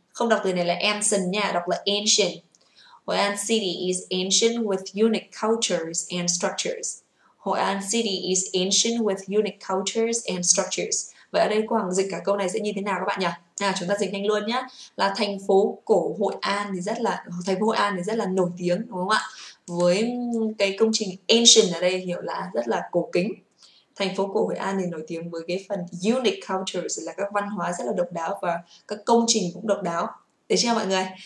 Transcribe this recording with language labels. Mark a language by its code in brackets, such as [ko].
[vi] Không đọc từ này là ancient nha, đọc là ancient. [en] Hội An City is ancient with unique cultures and structures. Hội An City is ancient with unique cultures and structures. [vi] Vậy ở đây cô Hằng dịch cả câu này sẽ như thế nào các bạn nhỉ? Nào chúng ta dịch nhanh luôn nhá. Là thành phố cổ Hội An thì rất là thành phố Hội An thì rất là nổi tiếng đúng không ạ? Với cái công trình ancient ở đây hiểu là rất là cổ kính. Thành phố cổ Hội An thì nổi tiếng với cái phần unique cultures là các văn hóa rất là độc đáo và các công trình cũng độc đáo. Được chưa mọi người?